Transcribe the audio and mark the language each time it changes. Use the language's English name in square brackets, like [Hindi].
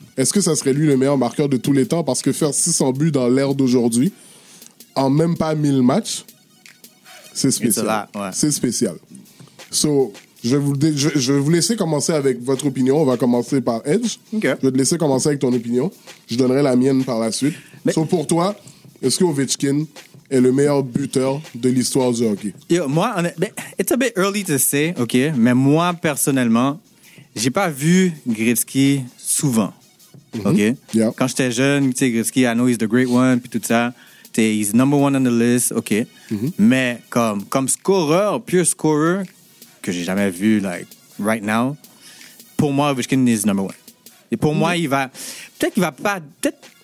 [French] Est-ce que ça serait lui le meilleur marqueur de tous les temps? Parce que faire 600 buts dans l'ère d'aujourd'hui, en même pas 1000 matchs, c'est spécial. [English] It's a lot, ouais. [French] C'est spécial. So, je vais vous laisser commencer avec votre opinion. On va commencer par Edge. Okay. Je vais te laisser commencer avec ton opinion. Je donnerai la mienne par la suite. Mais... So, pour toi, est-ce que Ovechkin est le meilleur buteur de l'histoire du hockey? [English] Yo, moi, it's a bit early to say, OK? [French] Mais moi, personnellement, j'ai pas vu Gretzky souvent, OK? [English] Mm-hmm. Yeah. [French] Quand j'étais jeune, tu sais, [English] Gretzky, I know he's the great one, [French] puis tout ça. [English] He's number one on the list, OK? Mm-hmm. [French] Mais comme scoreur, pure scoreur, que j'ai jamais vu, [English] like, right now, [French] pour moi, Ovechkin [English] is number one. [French] Et pour moi, il va... Peut-être qu'il va pas... Peut-être...